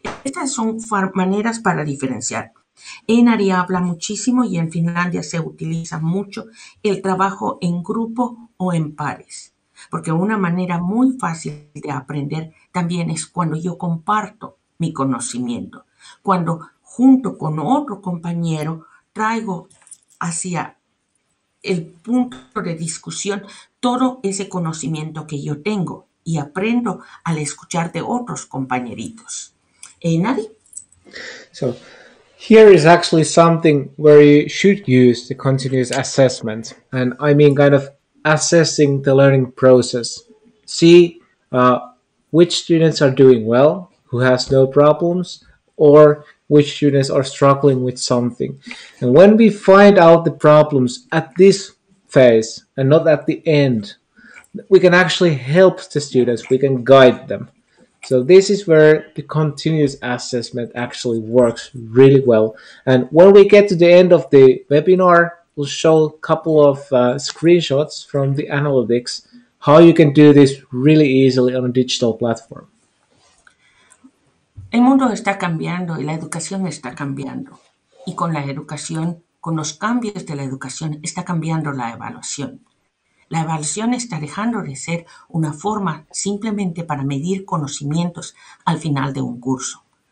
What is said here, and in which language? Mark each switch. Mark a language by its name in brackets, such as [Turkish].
[Spanish] Estas son maneras para diferenciar. En Aria habla muchísimo y en Finlandia se utiliza mucho el trabajo en grupo o en pares, porque una manera muy fácil de aprender también es cuando yo comparto mi conocimiento, cuando junto con otro compañero, traigo hacia el punto de discusión todo ese conocimiento que yo tengo y aprendo al escuchar de otros compañeritos. ¿Nadie? [English] So here is actually something where you should use the continuous assessment. And I mean kind of assessing the learning process. See which students are doing well, who has no problems, or which students are struggling with something. And when we find out the problems at this phase and not at the end, we can actually help the students, we can guide them. So this is where the continuous assessment actually works really well. And when we get to the end of the webinar, we'll show a couple of screenshots from the analytics, how you can do this really easily on a digital platform. [Spanish] El mundo está cambiando y la educación está cambiando. Y con la educación, con los cambios de la educación, está cambiando la evaluación. La evaluación está dejando de ser una forma simplemente para medir conocimientos al final de un curso.